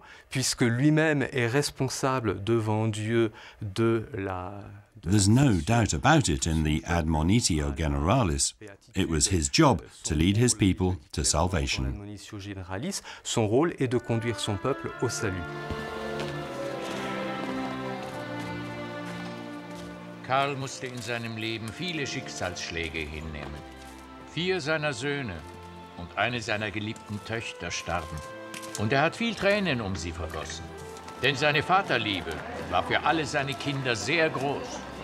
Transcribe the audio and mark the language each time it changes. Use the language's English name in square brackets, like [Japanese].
[French] Puisque lui-même est responsable devant Dieu de la... [English] There's no doubt about it in the Admonitio Generalis. It was his job to lead his people to salvation. [French] Son rôle est de conduire son peuple au salut. [German] Karl musste in seinem Leben viele Schicksalsschläge hinnehmen. Vier seiner Söhne und eine seiner geliebten Töchter starben. Und hat viel Tränen sie vergossen. Denn seine Vaterliebe war für alle seine Kinder sehr groß.